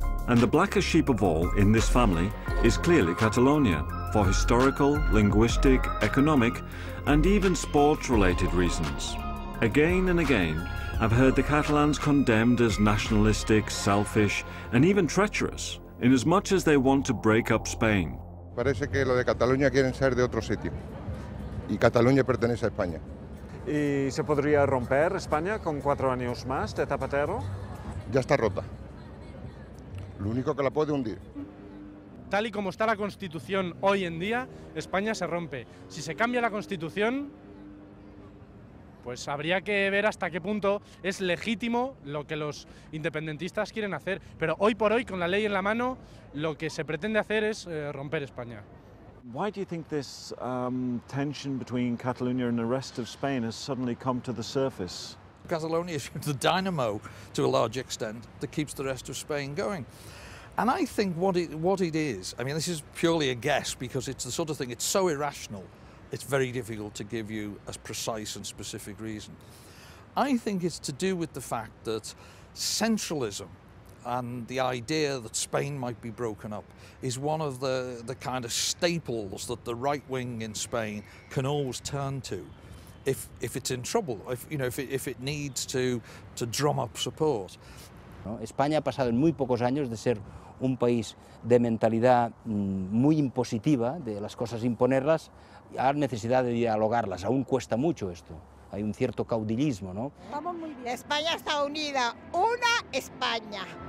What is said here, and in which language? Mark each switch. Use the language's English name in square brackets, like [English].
[English] And the blackest sheep of all in this family is clearly Catalonia, for historical, linguistic, economic, and even sports-related reasons. Again and again, I've heard the Catalans condemned as nationalistic, selfish, and even treacherous, in as much as they want to break up Spain. [Spanish] Parece que lo de Cataluña quieren ser de otro sitio, y Cataluña pertenece a España. ¿Y se podría romper España con 4 años más de Zapatero? Ya está rota. Lo único que la puede hundir. Tal y como está la Constitución hoy en día, España se rompe. Si se cambia la Constitución, pues habría que ver hasta qué punto es legítimo lo que los independentistas quieren hacer. Pero hoy por hoy, con la ley en la mano, lo que se pretende hacer es romper España. [English] Why do you think this tension between Catalonia and the rest of Spain has suddenly come to the surface? Catalonia is the dynamo, to a large extent, that keeps the rest of Spain going. And I think what it is, I mean, this is purely a guess, because it's the sort of thing, it's so irrational, it's very difficult to give you a precise and specific reason. I think it's to do with the fact that centralism and the idea that Spain might be broken up is one of the kind of staples that the right wing in Spain can always turn to if it's in trouble, if it needs to drum up support. [Spanish] España ha pasado en muy pocos años de ser un país de mentalidad muy impositiva, de las cosas imponerlas, a necesidad de dialogarlas. Aún cuesta mucho esto. Hay un cierto caudillismo, ¿no? Vamos muy bien. España está unida. Una España.